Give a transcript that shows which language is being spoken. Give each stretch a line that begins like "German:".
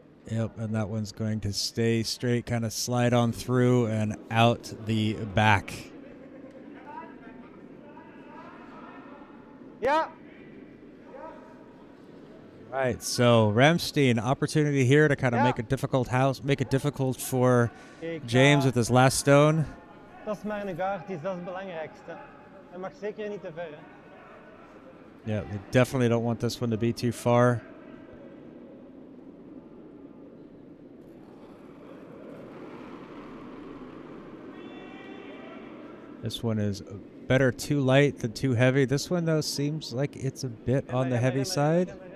English: Yep, and that one's going to stay straight, kind of slide on through and out the back. Yeah. Right, so Rammsteen, opportunity here to kind of make a difficult house, make it difficult for James with his last stone.
Dutch: Dat's maar een guard, dat is het belangrijkste. Hij mag zeker niet te ver.
English: Yeah, they definitely don't want this one to be too far. This one is better too light than too heavy. This one, though, seems like it's a bit on the heavy side.